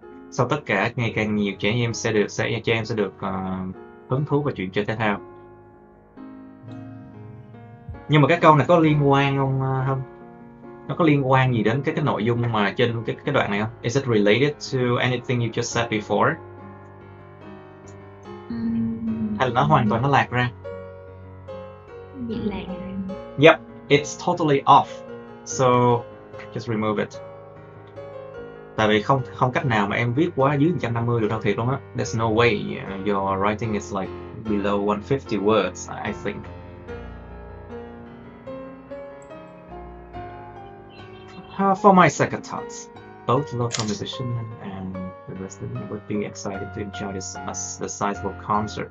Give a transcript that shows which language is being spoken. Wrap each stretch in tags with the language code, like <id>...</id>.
<vi>Sau tất cả, ngày càng nhiều trẻ em sẽ được hứng thú vào chuyện chơi thể thao. Nhưng mà cái câu này có liên quan không không? Nó có liên quan gì đến cái nội dung mà trên cái đoạn này không?</vi> <en>Is it related to anything you just said before?</en> <vi>Hay là nó hoàn toàn nó lạc ra? Bị lạc ra.</vi> <en>Yep, it's totally off. So, just remove it.</en> <vi>Tại vì không cách nào mà em viết quá dưới 150 được đâu thiệt luôn á.</vi> <en>There's no way. Your writing is like below 150 words, I think. For my second thoughts. both love competition and the rest of them would be excited to enjoy this a sizable concert.</en>